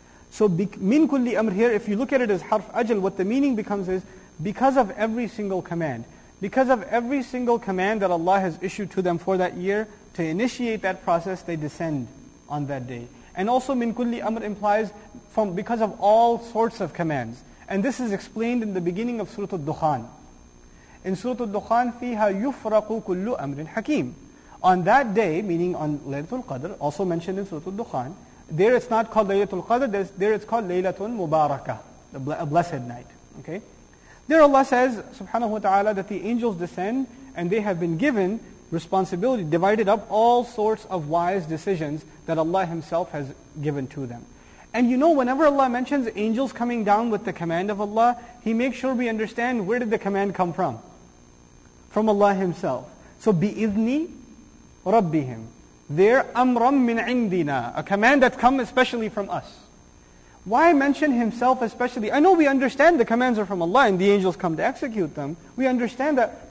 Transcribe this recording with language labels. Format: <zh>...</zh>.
<en>So min kulli amr here, if you look at it as harf ajal, what the meaning becomes is, because of every single command, because of every single command that Allah has issued to them for that year, to initiate that process, they descend on that day. And also min kulli amr implies because of all sorts of commands. And this is explained in the beginning of Surah Al-Dukhan. In Surah Al-Dukhan,</en> <ar>فِيهَا يُفْرَقُ كُلُّ أَمْرٍ حَكِيمٍ.</ar> <en>On that day, meaning on Laylatul Qadr, also mentioned in Surah Al-Dukhan, there it's not called Laylatul Qadr, there it's called Laylatul Mubarakah, a blessed night. Okay? There Allah says, subhanahu wa ta'ala, that the angels descend and they have been given responsibility, divided up all sorts of wise decisions that Allah Himself has given to them. And you know, whenever Allah mentions angels coming down with the command of Allah, He makes sure we understand where did the command come from? From Allah Himself.</en> <ar>So, بِإِذْنِ رَبِّهِمْ.</ar> <en>Their</en> <ar>amram min indina,</ar> <en>a command that come especially from us. Why mention himself especially? I know we understand the commands are from Allah and the angels come to execute them. We understand that.</en>